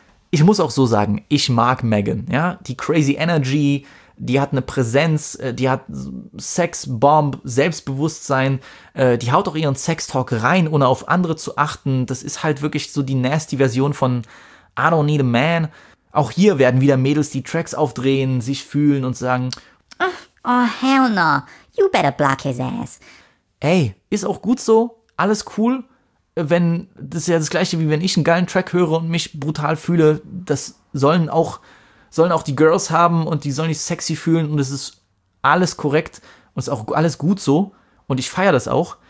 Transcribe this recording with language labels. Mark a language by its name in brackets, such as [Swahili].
[German] Ich muss auch so sagen, ich mag Megan. Ja? Die Crazy Energy, die hat eine Präsenz, die hat Sex, Bomb, Selbstbewusstsein. Die haut auch ihren Sextalk rein, ohne auf andere zu achten. Das ist halt wirklich so die nasty Version von I Don't Need a Man. Auch hier werden wieder Mädels die Tracks aufdrehen, sich fühlen und sagen, [English] oh, hell no, you better block his ass. [German] Ey, ist auch gut so, alles cool. Wenn, das ist ja das Gleiche, wie wenn ich einen geilen Track höre und mich brutal fühle, das sollen auch die Girls haben und die sollen sich sexy fühlen und es ist alles korrekt und ist auch alles gut so und ich feiere das auch.